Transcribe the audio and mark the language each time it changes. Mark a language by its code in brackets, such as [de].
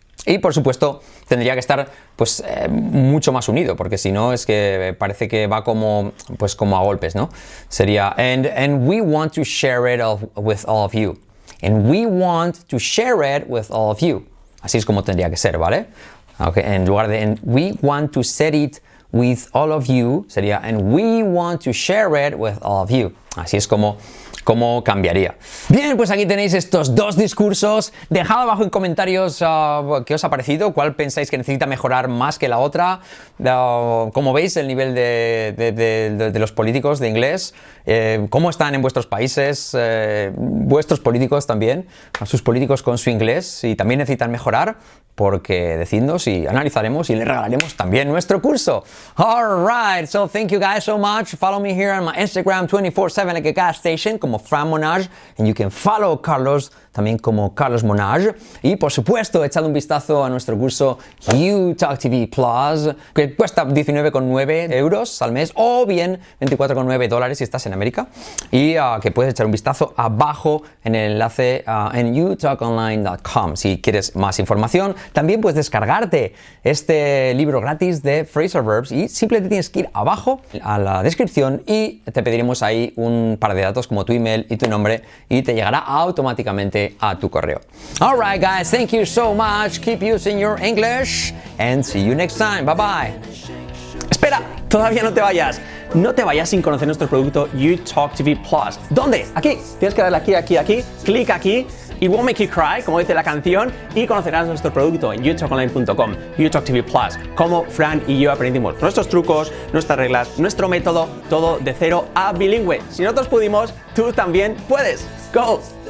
[es] Y por supuesto, tendría que estar pues mucho más unido, porque si no es que parece que va como pues como a golpes, ¿no? Sería [en] and we want to share it all, with all of you. And we want to share it with all of you. [es] Así es como tendría que ser, ¿vale? [en] Okay, [es] en lugar de [en] and we want to share it with all of you, [es] sería [en] and we want to share it with all of you. [es] Así es como ¿cómo cambiaría? Bien, pues aquí tenéis estos dos discursos. Dejad abajo en comentarios qué os ha parecido, cuál pensáis que necesita mejorar más que la otra. Cómo veis el nivel de los políticos de inglés. Cómo están en vuestros países, vuestros políticos también. A sus políticos con su inglés. Si también necesitan mejorar, porque decidnos y analizaremos y le regalaremos también nuestro curso. [en] All right, so thank you guys so much. Follow me here on my Instagram 24/7 like a gas station. Como Fran Monage, and you can follow Carlos [es] también como Carlos Monage. Y por supuesto, echad un vistazo a nuestro curso YouTalk TV Plus, que cuesta 19,9 euros al mes o bien 24,9 dólares si estás en América. Y que puedes echar un vistazo abajo en el enlace en youtalkonline.com si quieres más información. También puedes descargarte este libro gratis de Phrasal Verbs y simplemente tienes que ir abajo a la descripción y te pediremos ahí un par de datos como tu email y tu nombre y te llegará automáticamente a tu correo. [en] All right, guys, thank you so much. Keep using your English and see you next time. Bye bye. [es] Espera, todavía no te vayas. No te vayas sin conocer nuestro producto YouTalk TV Plus. ¿Dónde? Aquí. Tienes que darle aquí, aquí, aquí. Clic aquí. [en] It won't make you cry, [es] como dice la canción, y conocerás nuestro producto en youtalkonline.com, YouTalk TV Plus, cómo Fran y yo aprendimos nuestros trucos, nuestras reglas, nuestro método, todo de cero a bilingüe. Si nosotros pudimos, tú también puedes. [en] ¡Go!